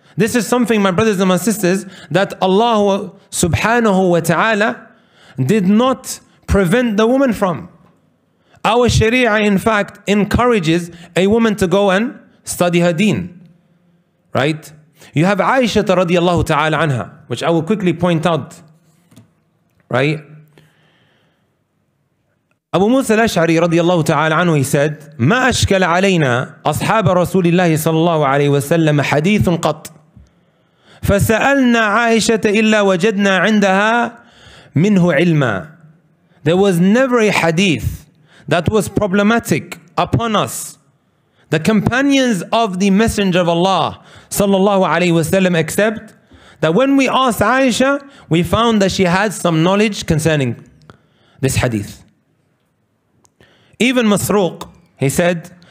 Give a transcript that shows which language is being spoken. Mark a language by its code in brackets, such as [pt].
[en] This is something, my brothers and my sisters, that Allah subhanahu wa ta'ala did not prevent the woman from. Our Sharia, in fact, encourages a woman to go and study her deen. Right? You have Aisha radiallahu ta'ala anha, which I will quickly point out. Right? [ar] Abu Musa al-Ash'ari radiallahu ta'ala anhu, he said, ما أشكل علينا أصحاب رسول الله صلى الله عليه وسلم حديث قط فسألنا عائشة إلا وجدنا عندها منه علما. [en] There was never a hadith that was problematic upon us, the companions of the Messenger of Allah صلى الله عليه وسلم, except that when we asked Aisha, we found that she had some knowledge concerning this hadith. Even Masruq, he said,